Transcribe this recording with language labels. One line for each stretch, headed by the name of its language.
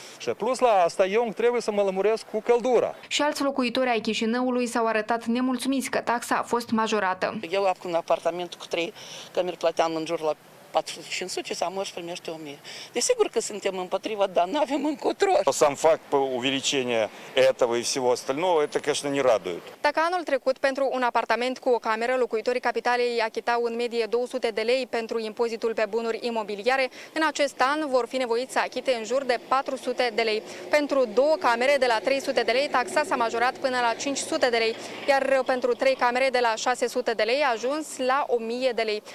Romanian: Și plus la asta, eu trebuie să mă lămuresc cu căldura. Și alți locuitori ai Chișinăului s-au arătat nemulțumiți că taxa a fost majorată. Eu am un apartament cu 3 cămeri, plăteam în jur la 4500, sau mă își primește 1000. Desigur că suntem împotriva, dar nu avem încotro.
Russian: Сам факт увеличения этого и всего остального, это, конечно, не радует.
Romanian: Dacă anul trecut, pentru un apartament cu o cameră, locuitorii capitalei achitau în medie 200 de lei pentru impozitul pe bunuri imobiliare, în acest an vor fi nevoiți să achite în jur de 400 de lei. Pentru două camere, de la 300 de lei, taxa s-a majorat până la 500 de lei, iar pentru trei camere, de la 600 de lei, a ajuns la 1000 de lei.